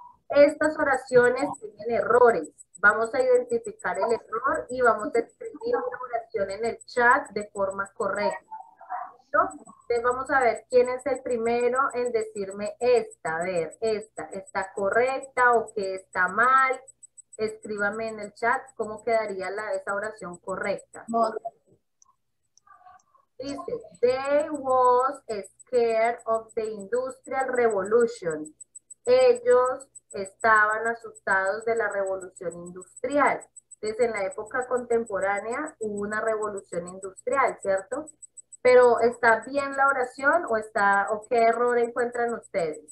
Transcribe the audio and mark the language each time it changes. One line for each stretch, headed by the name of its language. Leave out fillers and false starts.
Spanish: Estas oraciones tienen errores. Vamos a identificar el error y vamos a escribir una oración en el chat de forma correcta. Entonces vamos a ver quién es el primero en decirme esta, a ver, esta, ¿está correcta o qué está mal? Escríbame en el chat cómo quedaría esa oración correcta.
English: Dice, they was scared of the industrial revolution.
Spanish: Ellos estaban asustados de la revolución industrial. Entonces en la época contemporánea hubo una revolución industrial, ¿cierto? Pero, ¿está bien la oración o está o qué error encuentran ustedes?